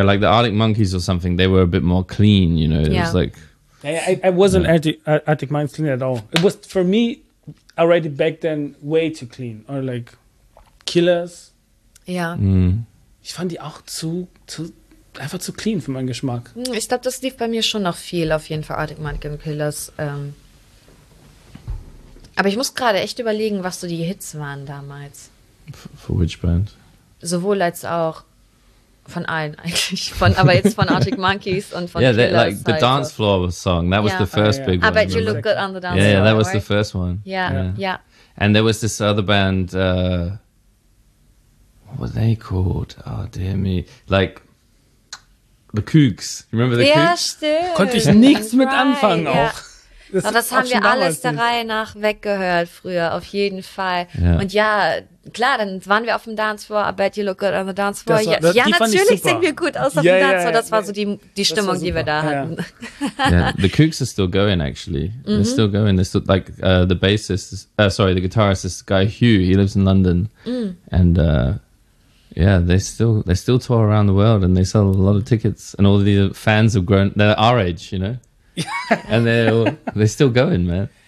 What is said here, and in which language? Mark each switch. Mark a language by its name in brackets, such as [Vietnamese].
[English] Yeah, like the Arctic Monkeys or something. They were a bit more clean, you know. It was like. I wasn't Arctic Monkeys clean at all. It was, for me, already back then, way too clean. Or like Killers. Yeah. Mm. [German] Ich fand die auch zu einfach zu clean für meinen Geschmack. Ich glaube, das lief bei mir schon noch viel, auf jeden Fall Arctic Monkeys und Killers. Aber ich muss gerade echt überlegen, was so die Hits waren damals. [English] For which band? [German] Sowohl als auch. von allen eigentlich, von, aber jetzt von Arctic Monkeys und von Killers. [English] Yeah, like the dance floor song, that was the first big one. I bet you look good on the dance floor. Yeah, that was the first one. Yeah. And there was this other band, what were they called? Oh, dear me. Like, the Kooks. Remember the Kooks? [German] Ja, stimmt. Konnte ich nichts mit anfangen auch. Das, aber das haben wir alles der Reihe nach weggehört früher, auf jeden Fall. Ja. Und ja, klar, dann waren wir auf dem Dancefloor. [English] I bet you look good on the Dancefloor. [German] War, ja, das, ja, natürlich sehen wir gut aus auf dem Dancefloor. Das war so die Stimmung, die wir da hatten. [English] Yeah. The Kooks are still going, actually. Mm-hmm. They're still going. They're still, like, the bassist, is, sorry, the guitarist is guy Hugh. He lives in London. Mm. And yeah, they still tour around the world and they sell a lot of tickets. And all the fans have grown. They're our age, you know? And they're still going, man.